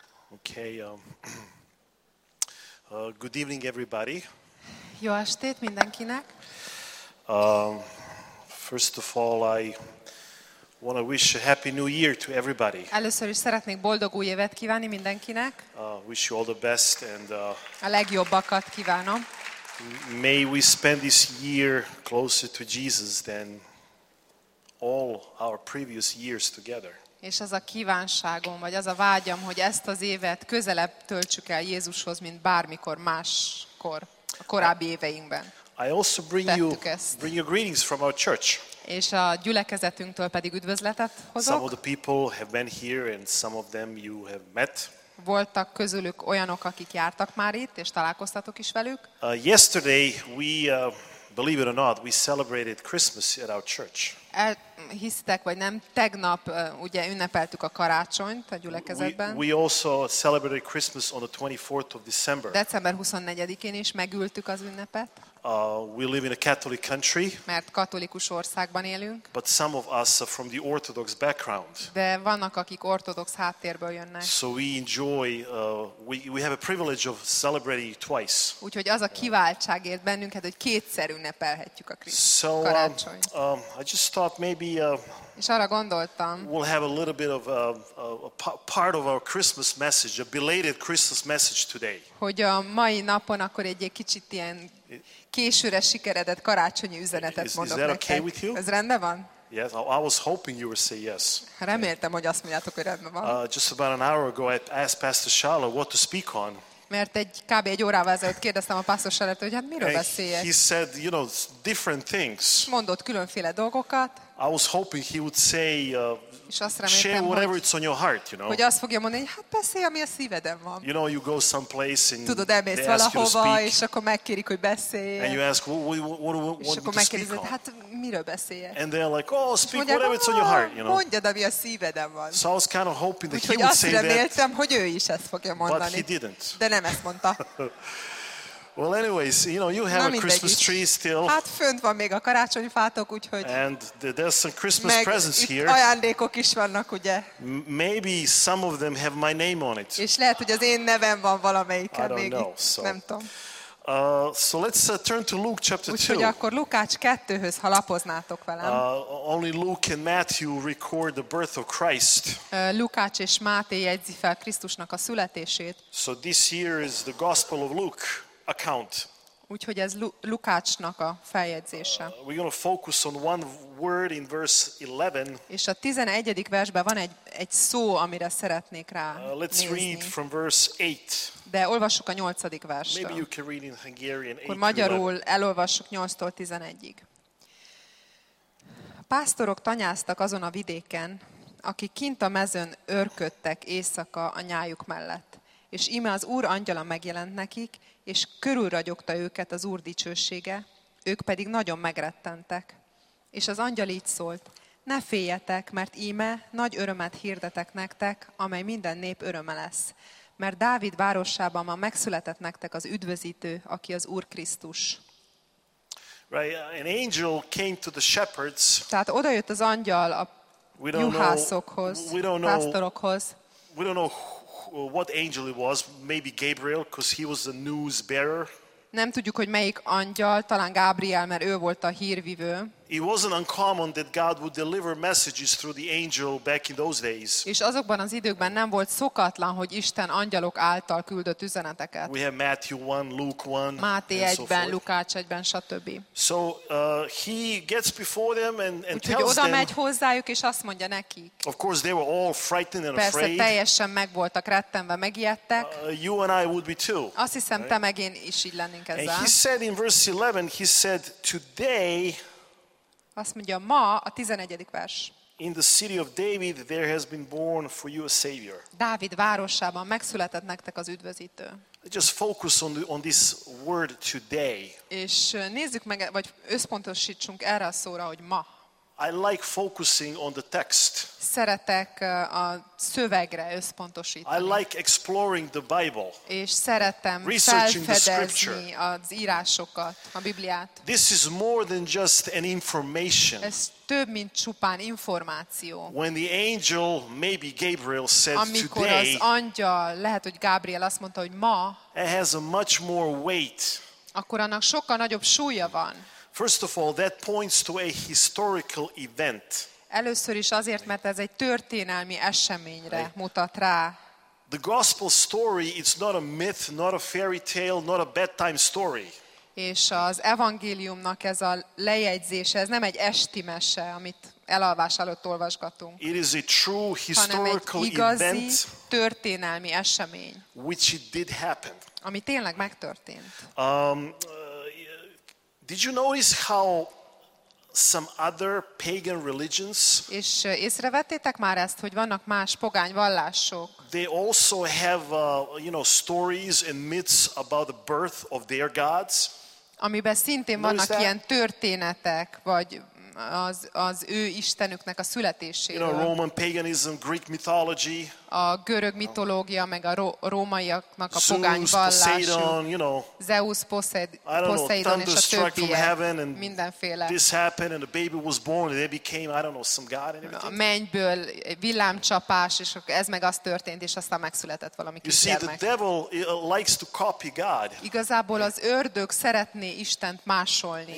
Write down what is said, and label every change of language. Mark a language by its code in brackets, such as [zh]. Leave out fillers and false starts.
[en] Okay, good evening, everybody. [hu] Jó estét mindenkinek. [en] First of all, I want to wish a happy new year to everybody. [hu] Először is szeretnék boldog új évet kívánni mindenkinek. [en] Wish you all the best and [hu] a legjobbakat kívánom. [en] May we spend this year closer to Jesus than all our previous years together. [hu] És az a kívánságom, vagy az a vágyam, hogy ezt az évet közelebb töltsük el Jézushoz, mint bármikor máskor, a korábbi éveinkben. [en] I also bring you greetings from our church. [hu] És a gyülekezetünktől pedig üdvözletet hozok. [en] Some of the people have been here, and some of them you have met. [hu] Voltak közülük olyanok, akik jártak már itt, és találkoztatok is velük. [en] Yesterday we, believe it or not, we celebrated Christmas at our church. [hu] Hisztek vagy nem, tegnap ugye ünnepeltük a karácsonyt a gyülekezetben. [en] We also celebrated Christmas on the 24th of December. [hu] December 24-én is megültük az ünnepet. [en] We live in a Catholic country. [hu] Mert katolikus országban élünk. [en] But some of us are from the Orthodox background. [hu] De vannak, akik ortodox háttérből jönnek. [en] So we enjoy we have a privilege of celebrating twice. [hu] Úgyhogy az a kiváltság ért bennünket, hogy kétszer ünnepelhetjük a karácsonyt. [en] So I just thought maybe [hu] és arra gondoltam. [en] We'll have a little bit of a part of our Christmas message, a belated Christmas message today. [hu] Hogy a mai napon akkor egy kicsit ilyen későre sikeredett karácsonyi üzenetet mondok nektek. [en] Okay with you? [hu] Ez rendben van? [en] Yes, I was hoping you would say yes. [hu] Reméltem, hogy azt mondjátok, hogy rendben van. [en] Just about an hour ago I asked Pastor Shala what to speak on. [hu] Mert egy kb. Egy órával ezelőtt kérdeztem a Pastor Shalát, hogy hát miről beszéljek. [en] He said, you know, different things. [hu] Mondott különféle dolgokat. [en] I was hoping he would say [hu] reméltem, [en] share whatever [hu] hogy, [en] it's on your heart, you know. [hu] Hogy azt fogja mondani, hát beszélj, ami a szíveden van. [en] You know, you go someplace and [hu] tudod, elmész valahova, és akkor megkérik, hogy beszélj. [en] And you ask, what [hu] és akkor megkérdezed, hát miről beszéljek. [en] And they're like, oh, speak [hu] mondják, [en] whatever it's on your heart, you know. [hu] Mondjad, ami a szíveden van. [en] So I was kind of hoping that [hu] úgyhogy [en] he would say [hu] reméltem, [en] that. [hu] Hogy ő is ezt fogja mondani. [en] But he didn't. [hu] De nem ezt mondta. [en] Well, anyways, you know, you have [hu] na [en] a Christmas tree still. [hu] Hát fönt van még a karácsonyfátok, úgyhogy. [en] And there's some Christmas presents here. [hu] Meg ajándékok is vannak, ugye? [en] Maybe some of them have my name on it. [hu] És lehet, hogy az én nevem van valamelyiken még. [en] I don't know. So. [hu] Nem tudom. [en] So let's turn to Luke chapter 2. [hu] Úgyhogy akkor Lukács 2-höz, ha lapoznátok velem. [en] Only Luke and Matthew record the birth of Christ. [hu] Lukács és Máté jegyzi fel Krisztusnak a születését. [en] So this here is the Gospel of Luke. Account. [hu] Úgyhogy ez Lukácsnak a feljegyzése. [en] We're going to focus on one word in verse 11. [hu] És a 11. versben van egy szó, amire szeretnék rá nézni. [en] Let's read from verse 8. [hu] De olvassuk a 8. verstől. [en] Maybe you can read in Hungarian. [hu] Akkor magyarul elolvassuk 8-tól 11-ig. Pásztorok tanyáztak azon a vidéken, akik kint a mezőn őrködtek éjszaka a nyájuk mellett. És íme az Úr angyala megjelent nekik, és körülragyogta őket az Úr dicsősége, ők pedig nagyon megrettentek. És az angyal így szólt, ne féljetek, mert íme nagy örömet hirdetek nektek, amely minden nép öröme lesz. Mert Dávid városában ma megszületett nektek az üdvözítő, aki az Úr Krisztus. [en] Right, an angel came to the shepherds. [hu] Tehát odajött az angyal a juhászokhoz, pásztorokhoz. [en] We don't know what angel it was, maybe Gabriel, because he was the news bearer. [hu] Nem tudjuk, hogy melyik angyal, talán Gabriel, mert ő volt a hírvivő. [en] It wasn't uncommon that God would deliver messages through the angel back in those days. [hu] És azokban az időkben nem volt szokatlan, hogy Isten angyalok által küldött üzeneteket. [en] We have Matthew 1, Luke 1, [hu] Máté 1-ben, Lukács 1-ben, stb. [en] So he gets before them and tells [hu] oda [en] them. [hu] Oda megy hozzájuk és azt mondja nekik. [en] Of course they were all frightened and [hu] persze, [en] afraid. [hu] Persze teljesen meg voltak rettenve, megijedtek. [en] You and I would be too. [hu] Azt hiszem, right? Te meg én is így lennénk ezzel. [en] And he said in verse 11, he said, today. [hu] Azt mondja, ma a 11. vers. [en] In the city of David there has been born for you a savior. [hu] Dávid városában megszületett nektek az üdvözítő. [en] Just focus on this word today. [hu] És nézzük meg, vagy összpontosítsunk erre a szóra, hogy ma. [en] I like focusing on the text. [hu] Szeretek a szövegre összpontosítani. [en] I like exploring the Bible. [hu] És szeretem felfedezni az írásokat, a Bibliát. [en] This is more than just an information. [hu] Ez több mint csupán információ. [en] When the angel, maybe Gabriel, said today. [hu] Amikor az angyal, lehet, hogy Gabriel azt mondta, hogy ma. [en] It has a much more weight. [hu] Akkor annak sokkal nagyobb súlya van. [en] First of all, that points to a historical event. [hu] Először is azért, mert ez egy történelmi eseményre mutat rá. [en] The gospel story is not a myth, not a fairy tale, not a bedtime story. [hu] És az evangéliumnak ez a lejegyzése, ez nem egy esti mese, amit elalvás előtt olvasgatunk. [en] It is a true historical event. [hu] Hanem egy igazi történelmi esemény. [en] Which it did happen. [hu] Ami tényleg megtörtént. [en] Did you notice how some other pagan religions? [hu] És észrevettétek már ezt, hogy vannak más pogány vallások? [en] They also have, you know, stories and myths about the birth of their gods. [hu] Amiben szintén vannak ilyen történetek, vagy az ő istenüknek a születéséről. [en] You know, Roman paganism, Greek mythology. [hu] A görög mitológia, meg a rómaiaknak a pogány vallása. Zeus, Poseidon, és a többiek. Mindenféle. [en] This happened and a baby was born and they became, I don't know, some god and everything. [hu] A mennyből villámcsapás, és ez meg az történt, és aztán megszületett valami kisgyermek. [en] You see, the devil likes to copy God. [hu] Igazából az ördög szeretné Istent másolni.